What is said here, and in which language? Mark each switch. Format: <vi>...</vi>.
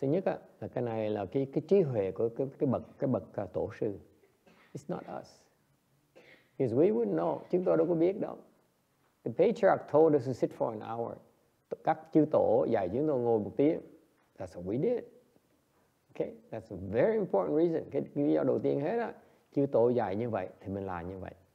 <vi>Thứ nhất là cái này là cái trí huệ của cái bậc tổ sư.</vi> <en>It's not us, because we wouldn't know.</en> <vi>Chúng tôi đâu có biết đâu.</vi> <en>The patriarch told us to sit for an hour.</en> <vi>Các chư tổ dạy chúng tôi ngồi một tiếng.</vi> <en>That's what we did. Okay, that's a very important reason.</en> <vi>Cái lý do đầu tiên hết á, chư tổ dạy như vậy thì mình làm như vậy.</vi>